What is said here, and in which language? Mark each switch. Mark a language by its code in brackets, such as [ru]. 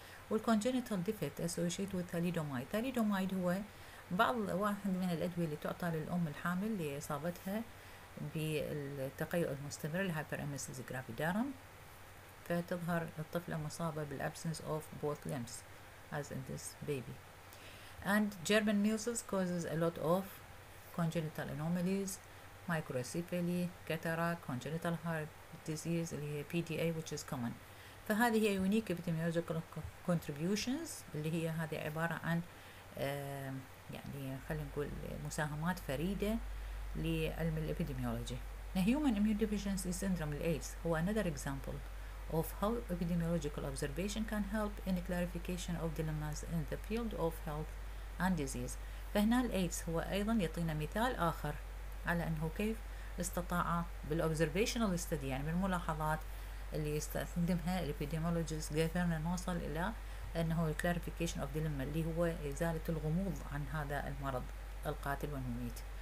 [ar] والكونجنيتال ديفكت اسوشيت وذ ثاليدومايد، ثاليدومايد هو بعض واحد من الادويه اللي تعطى للام الحامل اللي اصابتها بالتقيؤ المستمر الهايبر اميسيس جرافيدارم، فتظهر الطفلة مصابة بالابسنس اوف بوث [en] limbs as in this baby. And German measles causes a lot of congenital anomalies, microcephaly, cataract, congenital heart disease [ar] اللي هي [en] PDA which is common. [ar] فهذه هي [en] unique epidemiological contributions [ar] اللي هي هذه عبارة عن يعني خلينا نقول مساهمات فريدة لعلم الابيديميولوجي. [en] The human immune deficiency syndrome [ar] الايدز هو [en] another example of how epidemiological observation can help in clarification of dilemmas in the field of health and disease. [ar] فهنا الايدز هو ايضا يعطينا مثال اخر على انه كيف استطاع بال [en] observational study، [ar] يعني بالملاحظات اللي يستخدمها الابيديميولوجيست، قدرنا نوصل الى انه [en] clarification of dilemma [ar] اللي هو ازالة الغموض عن هذا المرض القاتل والمميت.